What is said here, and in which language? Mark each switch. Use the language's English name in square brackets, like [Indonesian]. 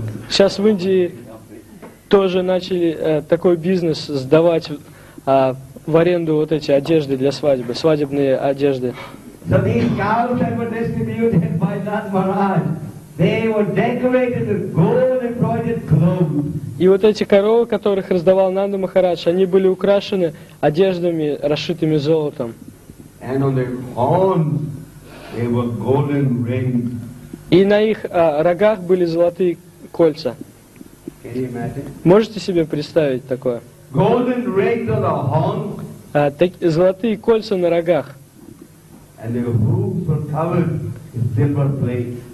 [Russian] Сейчас в Индии тоже начали такой бизнес сдавать в аренду вот эти одежды для свадьбы, свадебные одежды. [English] So these cows that were distributed by Nanda Maharaj, they were decorated with gold embroidered clothes. [Russian] И вот эти коровы, которых раздавал Нанда Махарадж, они были украшены одеждами, расшитыми золотом. [English] And on their horns they were golden rings. [Russian] И на их рогах были золотые кольца. [English] Can you imagine? [Russian] Можете себе представить такое? [English] Golden rings on the horns. [Russian] Золотые кольца на рогах. [English] And their hooves were covered in silver plates.